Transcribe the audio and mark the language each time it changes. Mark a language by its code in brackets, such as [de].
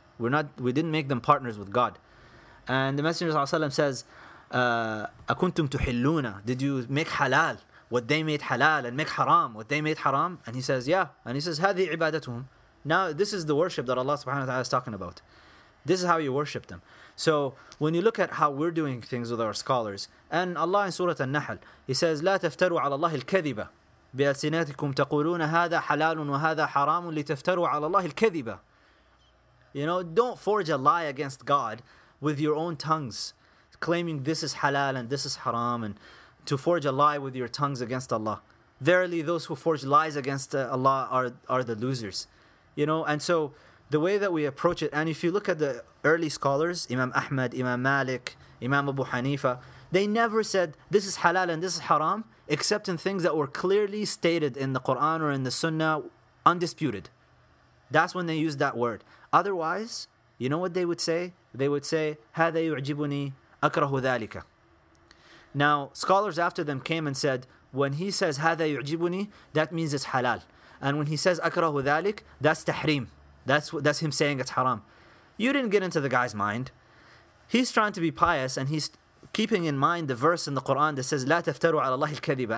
[en] We didn't make them partners with God. And the Messenger says, [ar] أكنتم تحلون, [en] did you make halal what they made halal and make haram what they made haram? And he says, yeah. And he says, [ar] هذه عبادتهم. [en] Now, this is the worship that Allah subhanahu wa ta'ala is talking about. This is how you worship them. So, when you look at how we're doing things with our scholars, and Allah in Surah An-Nahl, He says, [ar] لا تفتروا على الله الكذبة. بألسنتكم تقولون هذا حلال وهذا حرام لتفتروا على الله الكذبة. [en] You know, don't forge a lie against God with your own tongues, claiming this is halal and this is haram, and to forge a lie with your tongues against Allah. Verily, those who forge lies against Allah are the losers. You know, and so the way that we approach it, and if you look at the early scholars, Imam Ahmad, Imam Malik, Imam Abu Hanifa, they never said this is halal and this is haram, except in things that were clearly stated in the Quran or in the Sunnah, undisputed. That's when they used that word. Otherwise, you know what they would say? They would say, [ar] هَذَا يُعْجِبُنِي أَكْرَهُ ذَلِكَ. [en] Now, scholars after them came and said, when he says, [ar] هَذَا يُعْجِبُنِي, [en] that means it's halal. And when he says, [ar] أَكْرَهُ ذَلِكَ, [en] that's tahrim. That's him saying it's haram. You didn't get into the guy's mind. He's trying to be pious, and he's keeping in mind the verse in the Quran that says, [ar] لَا تَفْتَرُوا عَلَى اللَّهِ الْكَذِبَ.